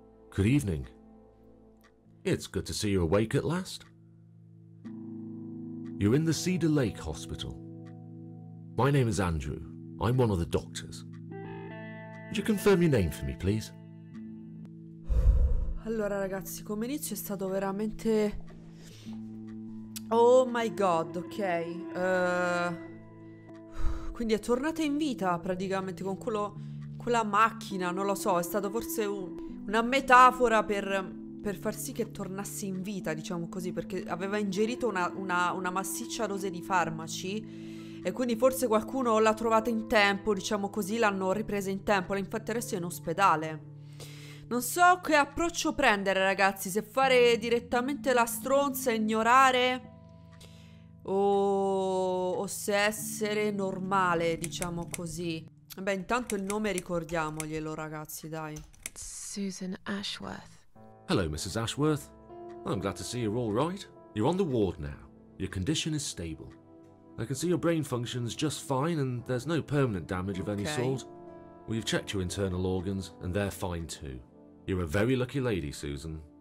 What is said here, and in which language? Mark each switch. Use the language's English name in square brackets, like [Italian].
[English] Good evening. It's good to see you awake at last. You're in the Cedar Lake Hospital. My name is Andrew. I'm one of the doctors. Could you confirm your name for me, please? [Italian] Allora, ragazzi, come inizio è stato veramente... [English] Oh my God, [Italian] ok. Quindi è tornata in vita, praticamente, con quello... Quella macchina, non lo so, è stato forse un... Una metafora per far sì che tornasse in vita, diciamo così, perché aveva ingerito una massiccia dose di farmaci e quindi forse qualcuno l'ha trovata in tempo, diciamo così, l'hanno ripresa in tempo, infatti adesso è in ospedale. Non so che approccio prendere, ragazzi, se fare direttamente la stronza e ignorare o se essere normale, diciamo così. Beh, intanto il nome ricordiamoglielo, ragazzi, dai. [English] Susan Ashworth. Hello, Mrs. Ashworth. I'm glad to see you're all right. You're on the ward now. Your condition is stable. I can see your brain functions just fine and there's no permanent damage of any sort. We've checked your internal organs and they're fine too. You're a very lucky lady, Susan.